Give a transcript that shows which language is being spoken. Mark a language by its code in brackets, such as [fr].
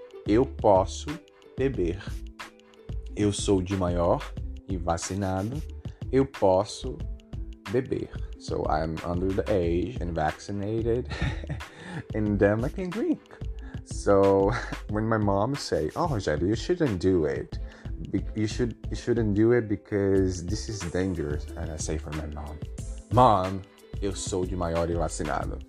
[pt] Eu posso beber. Eu sou de maior e vacinado. Eu posso beber. [en] So I'm under the age and vaccinated. And then I can drink. So when my mom say, oh, Rogério, you shouldn't do it. You shouldn't do it because this is dangerous. And I say for my mom, Mom, [pt] eu sou de maior e vacinado.